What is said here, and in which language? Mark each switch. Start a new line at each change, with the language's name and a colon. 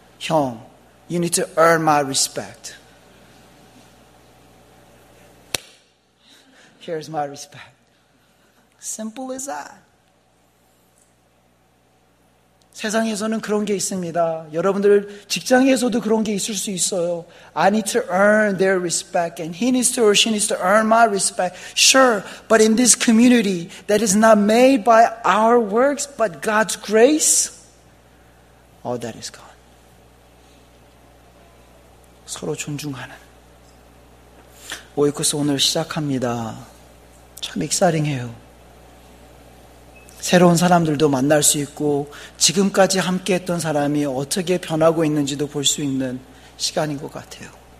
Korean: 형,
English: you need to earn my respect. Here's my respect. Simple as that.
Korean: 세상에서는 그런 게 있습니다. 여러분들 직장에서도 그런 게 있을 수 있어요.
English: I need to earn their respect and he needs to or she needs to earn my respect. Sure, but in this community that is not made by our works but God's grace, all that is gone.
Korean: 서로 존중하는. 오이코스 오늘 시작합니다. 참 익사링해요. 새로운 사람들도 만날 수 있고 지금까지 함께했던 사람이 어떻게 변하고 있는지도 볼 수 있는 시간인 것 같아요.